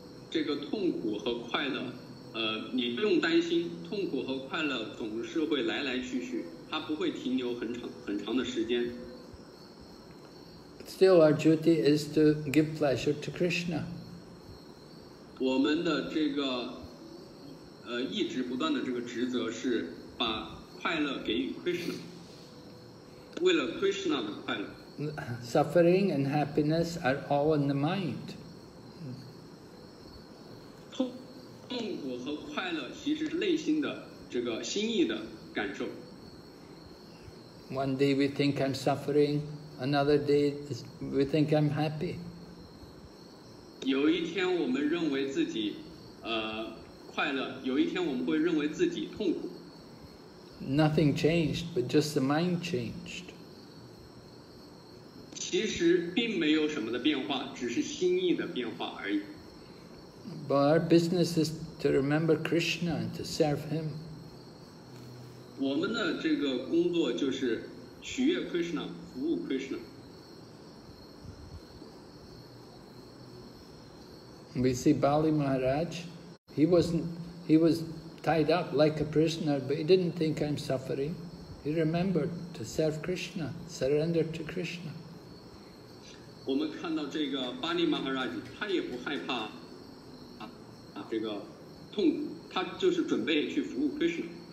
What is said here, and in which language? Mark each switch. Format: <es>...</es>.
<zh>这个痛苦和快乐，你不用担心，痛苦和快乐总是会来来去去。它不会停留很长的时间。</zh> <en>Still, our duty is to give pleasure to Krishna.</en> <zh>我们的这个，一直不断的这个职责是把快乐给予 Krishna， 为了 Krishna 的快乐。</zh> <en>Suffering and happiness are all in the mind.</en> <zh>痛苦和快乐其实是内心的这个心意的感受。</zh> <en>One day we think I'm suffering, another day we think I'm happy.</en> <zh>有一天我们认为自己，快乐；有一天我们会认为自己痛苦。</zh> <en>Nothing changed, but just the mind changed.</en> <zh>其实并没有什么的变化，只是心意的变化而已。</zh> <en>But our business is to remember Krishna and to serve Him.</en> <zh>我们的这个工作就是取悦 Krishna， 服务 Krishna。</zh> <en>We see Bali Maharaj, he was tied up like a prisoner, but he didn't think I'm suffering. He remembered to serve Krishna, surrender to Krishna.</en> <zh>我们看到这个巴尼马哈拉吉，他也不害怕这个痛苦，他就是准备去服务 Krishna。</zh>